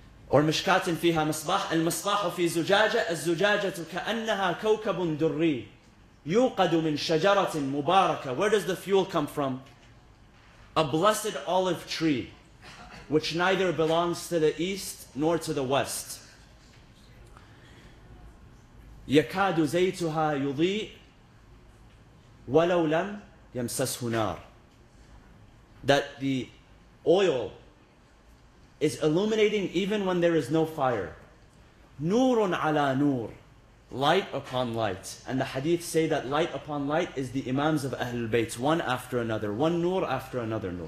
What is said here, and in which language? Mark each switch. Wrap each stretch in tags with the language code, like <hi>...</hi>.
<ar>Or مشكات فيها مصباح المصباح في زجاجة الزجاجة كأنها كوكب دري يوقد من شجرة مباركة.</ar> <en>Where does the fuel come from? A blessed olive tree, which neither belongs to the east nor to the west.</en> <ar>يكاد زيتها يضيء ولو لم يمسسه نار.</ar> <en>That the oil is illuminating even when there is no fire.</en> <ar>Nurun ala nur,</ar> <en>light upon light. And the hadith say that light upon light is the imams of Ahlul Bayt, one after another, one nur after another nur.</en>